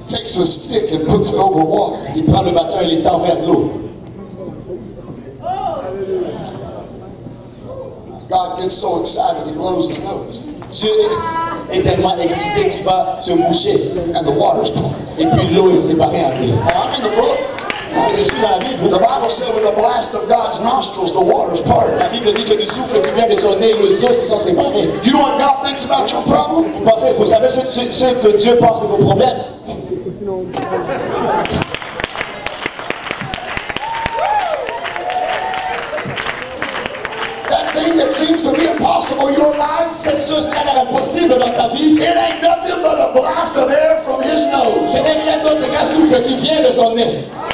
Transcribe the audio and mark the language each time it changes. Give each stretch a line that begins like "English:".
English: takes a stick and puts it over water.
French: Il prend le bâton et l'étend vers l'eau.
English: God gets so excited, he blows his nose.
French: Dieu est tellement excité qu'il va se moucher.
English: And the water's pouring.
French: Et puis l'eau est séparée en deux.
English: I'm in the book.
French: Je suis dans la Bible.
English: The Bible says with the blast of God's nostrils, the waters parted.
French: La Bible dit que du souffle qui vient de son nez, les eaux se sont séparées.
English: You know what God thinks about your problem?
French: Vous pensez, vous savez ce que Dieu pense de vos problèmes?
English: That thing that seems to be impossible in your life,
French: cette chose qui a l'air impossible dans ta vie,
English: it ain't nothing but a blast of air from His nose.
French: Ce n'est rien d'autre qu'un souffle qui vient de son nez.